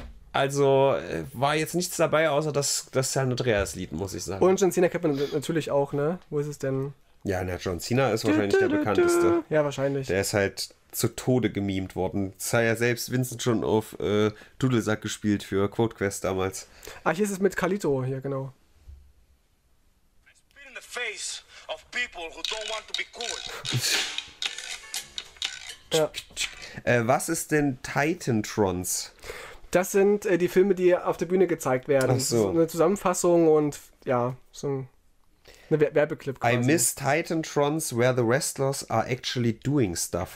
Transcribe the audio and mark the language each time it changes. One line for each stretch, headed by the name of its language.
German: Also, war jetzt nichts dabei, außer das San Andreas-Lied, muss ich sagen. Und John Cena kennt man natürlich auch, ne? Wo ist es denn? Ja, na, John Cena ist wahrscheinlich der bekannteste. Ja, wahrscheinlich. Der ist halt zu Tode gemimt worden. Das hat ja selbst Vincent schon auf Dudelsack gespielt für Quote Quest damals. Ah, hier ist es mit Carlito, hier, genau.
English: I spit in the face of people who don't want to be cool.
German: Ja. Was ist denn Titantrons? Das sind die Filme, die auf der Bühne gezeigt werden. Ach so. Das ist eine Zusammenfassung und ja, so ein Werbeclip quasi.
English: I miss Titantrons, where the wrestlers are actually doing stuff.